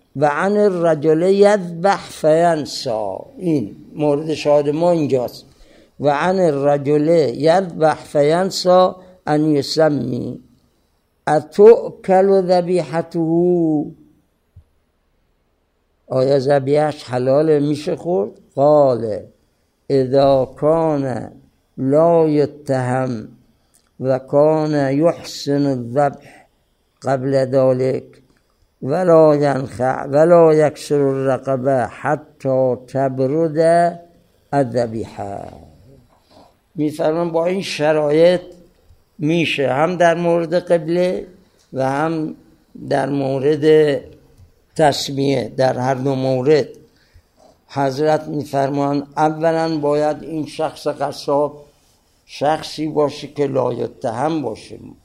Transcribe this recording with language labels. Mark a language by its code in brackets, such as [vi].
[ar] و عن الرجل یذبح فینسا، [fa] این مورد شاهد ما اینجاست، [ar] و عن الرجل یذبح فینسا ان یسمی اتوکل ذبیحته، [fa] آیا ذبیحش حلاله میشه خورد؟ [ar] قال اذا کان لا يتهم وكان يحسن الذبح قبل ذلك ولا ينخع ولا يكسر الرقبة حتى تبرد الذبيحة. [fa] میفرمان با این شرایط میشه هم در مورد قبله و هم در مورد تسمیه. در هر دو مورد حضرت میفرمان اولا باید این شخص قصاب شخصی باشه که لایتهم باشه،